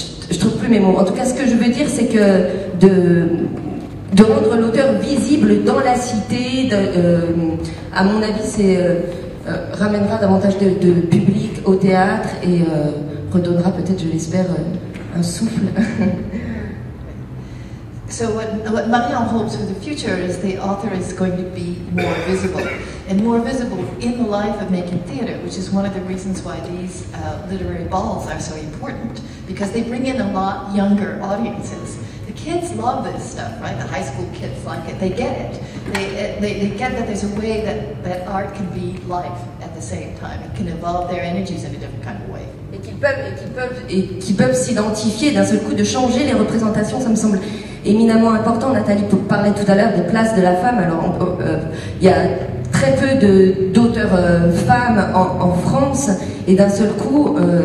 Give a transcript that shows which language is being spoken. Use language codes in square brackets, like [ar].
[fr] je trouve plus mes mots. En tout cas, ce que je veux dire, c'est que de rendre l'auteur visible dans la cité, à mon avis, c'est ramènera davantage de public au théâtre et redonnera peut-être, je l'espère, un souffle. [en] So what Marion hopes for the future is the author is going to be more visible, and more visible in the life of making theater, which is one of the reasons why these literary balls are so important, because they bring in a lot younger audiences. The kids love this stuff, right? The high school kids like it. They get it. They get that there's a way that art can be life at the same time. It can evolve their energies in a different kind of way. [fr] Et qui peuvent s'identifier d'un seul coup, de changer les représentations, ça me semble éminemment important. Nathalie parlait tout à l'heure des places de la femme. Alors, il y a très peu d'auteurs femmes en France, et d'un seul coup,